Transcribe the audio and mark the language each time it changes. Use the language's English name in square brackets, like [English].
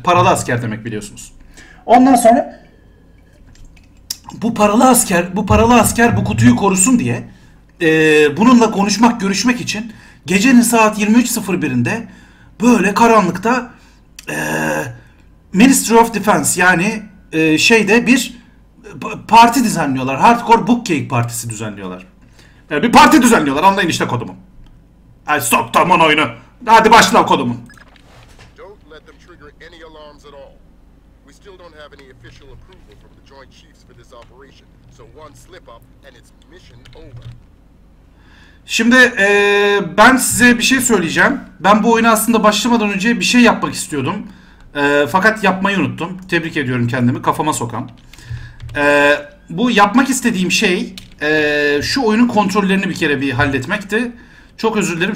[Turkish] Paralı asker demek biliyorsunuz. Ondan sonra bu paralı asker bu kutuyu korusun diye bununla konuşmak, görüşmek için gecenin saat 23.01'inde böyle karanlıkta Ministry of Defense yani şeyde bir parti düzenliyorlar. Hardcore Bookcake Partisi düzenliyorlar. Yani bir parti düzenliyorlar. Anlayın işte kodumu. Yani stop tamam oyunu. Hadi başla kodumu. [English] Don't let them trigger any alarms at all. We still don't have any official approval from the Joint Chiefs for this operation. So one slip up and it's mission over. [Turkish] Şimdi ben size bir şey söyleyeceğim. Ben bu oyuna aslında başlamadan önce bir şey yapmak istiyordum. Fakat yapmayı unuttum. Tebrik ediyorum kendimi. Kafama sokan. Bu yapmak istediğim şey şu oyunun kontrollerini bir kere bir halletmekti. Çok özür dilerim.